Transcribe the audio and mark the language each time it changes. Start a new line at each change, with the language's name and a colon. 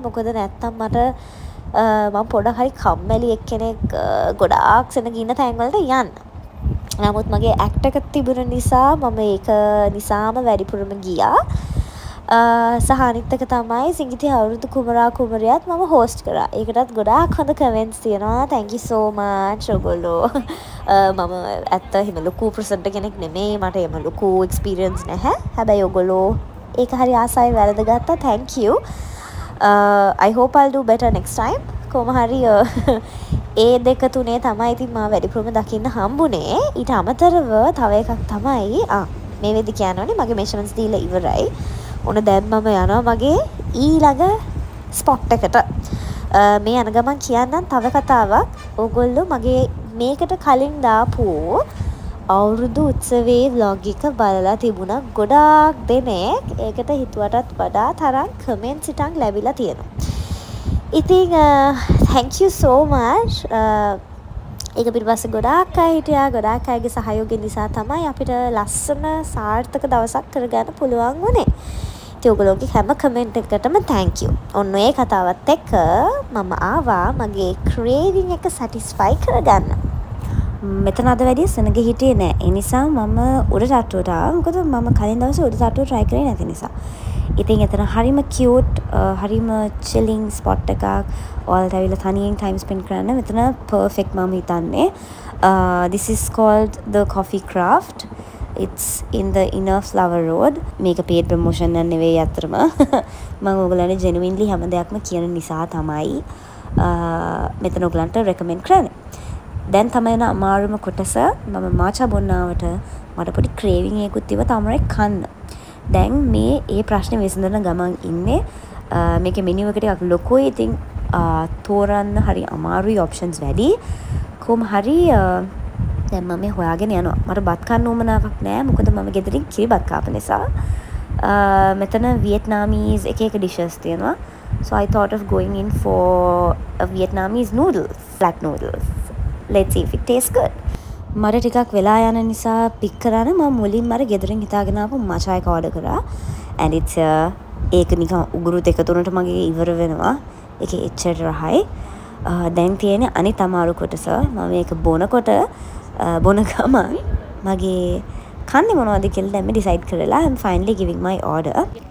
Sinhala: මොකද නැත්තම් මට මම පොඩ හරි කම්මැලි එක්කෙනෙක් ගොඩාක් සෙනගින්න තැන්වලට යන්න. නමුත් මගේ ඇක්ට් එක තිබුණ නිසා මම ඒක නිසාම වැඩිපුරම ගියා. සහ අනිත් එක තමයි සිංගිති අවුරුදු කුමරා කුමරියත් මම හෝස්ට් කරා. ඒකටත් ගොඩාක් හොඳ කමෙන්ට්ස් තියෙනවා.
English: Thank you so much
Sinhala: ඔයගොල්ලෝ. මම ඇත්ත එහෙම ලොකු ප්‍රසෙන්ටර් කෙනෙක් නෙමෙයි. මට එහෙම ලොකු එක්ස්පීරියන්ස් නැහැ. හැබැයි ඔයගොල්ලෝ ඒක හරි ආසයි වැරද ගත්තා.
English: Thank you. I hope I'll do better next time.
Sinhala: කොහොම හරි ඒ දෙක තුනේ තමයි ඉතින් මම වැඩිපුරම දකින්න හම්බුනේ. ඊට අමතරව තව එකක් තමයි මේ වෙද්දි කියනවනේ මගේ මෙෂර්මන්ට්ස් දීලා ඉවරයි. ඔන්න දැන් මම යනවා මගේ ඊළඟ ස්පොට් එකට. මේ යන ගමන් කියන්නම් තව කතාවක්. ඕගොල්ලෝ මගේ මේකට කලින් දාපු අවුරුදු උත්සවයේ vlog එක බලලා තිබුණා ගොඩාක් දෙනෙක්. ඒකට හිතුවටත් වඩා තරම් කමෙන්ට්ස් ටිකක් ලැබිලා තියෙනවා. ඉතින්
English: thank you so much.
Sinhala: ඒක පිටපස්සේ ගොඩාක් අය හිටියා. ගොඩාක් අයගේ සහයෝගය නිසා තමයි අපිට ලස්සන සාර්ථක දවසක් කරගන්න පුළුවන් වුණේ. ඉතින් ඔයගොල්ලෝගේ හැම කමෙන්ට් එකකටම
English: thank you.
Sinhala: ඔන්න ඒ කතාවත් එක්ක මම ආවා මගේ craving එක satisfy කරගන්න. මෙතන අද වැඩි සෙනග හිටියේ නැහැ. ඒ නිසා මම උඩ තට්ටුවට ආවා. මොකද මම කලින් දවසේ උඩ තට්ටුව try කරේ නැති නිසා. ඉතින් එතන හරිම cute, හරිම chilling spot එකක්. ඔයාලට ඇවිල්ලා තනියෙන් time spend කරන්න මෙතන perfect මම හිතන්නේ.
English: This is called the coffee craft. It's in the inner flower road.
Sinhala: මේක paid promotion නන් නෙවෙයි අතරම. මම ඔයගලන්ට genuinely හැම දෙයක්ම කියන නිසා තමයි මෙතන ඔයගලන්ට recommend කරන්නේ. දැන් තමයි න අමාරුම කොටස. මම මාචා බොන්නාවට මට පොඩි craving එකක් තිබ්බ තමයි කන්න. දැන් මේ ඒ ප්‍රශ්නේ විසඳන ගමන් ඉන්නේ. මේකේ මෙනු එක ටිකක් ලොකුයි. ඉතින් තෝරන්න හරි අමාරුයි. ඔප්ෂන්ස් වැඩි. කොහොම හරි දැන් මම මේ හොයාගෙන යනවා. මට බත් කන්න උවමනාවක් නැහැ. මොකද මම ගෙදරින් කිරි බත් කාප නිසා. මෙතන වියට්නාමීස් එක එක ඩිෂස් තියෙනවා.
English: So I thought of going in for a Vietnamese noodles, flat noodles. Let's see if it tastes good.
Sinhala: මර ටිකක් වෙලා යන නිසා පික් කරන්න මම මුලින්ම අර ගෙදරින් හිතාගෙන ආපු මචා එක ඕඩර් කරා.
English: And it's
Sinhala: ඒක නිකන් උගුරු දෙක තුනට මගේ ඉවර වෙනවා. ඒක එච්චර රහයි. දැන් තියෙන්නේ අනිත් අමාරු කොටස. මම මේක බොනකොට බොන ගමන් මගේ කන්නේ මොනවද කියලා දැන් මම ඩිසයිඩ් කරලා
English: I'm finally giving my order.